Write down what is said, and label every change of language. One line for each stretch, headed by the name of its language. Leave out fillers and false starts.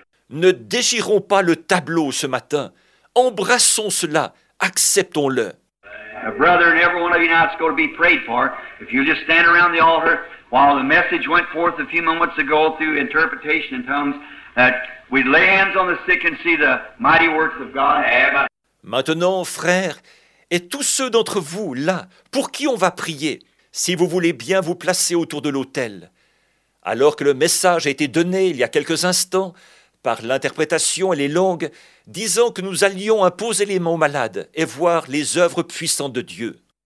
French: Ne déchirons pas le tableau ce matin. Embrassons cela. Acceptons-le.
English: A brother and every one of you now is going to be prayed for. If you just stand around the altar while the message went forth a few moments ago through interpretation in tongues, that we'd lay hands on the sick and see the mighty works of God. Amen.
French: Maintenant, frères, et tous ceux d'entre vous là, pour qui on va prier, si vous voulez bien vous placer autour de l'autel, alors que le message a été donné il y a quelques instants par l'interprétation et les langues, disant que nous allions imposer les mains aux malades et voir les œuvres puissantes de Dieu.